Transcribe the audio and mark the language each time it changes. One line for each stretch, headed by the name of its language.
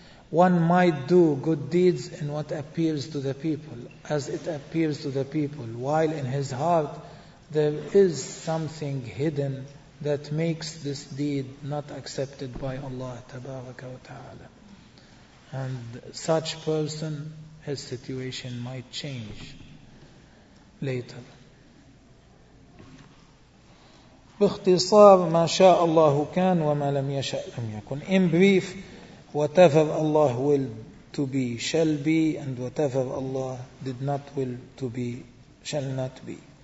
English: One might do good deeds in what appears to the people, as it appears to the people, while in his heart there is something hidden that makes this deed not accepted by Allah
Arabic: Tabaraka wa Ta'ala.
English: And such person, his situation might change later.
Arabic: باختصار ما شاء الله كان وما لم يشأ لم يكن.
English: In brief, whatever Allah willed to be shall be, and whatever Allah did not will to be shall not be.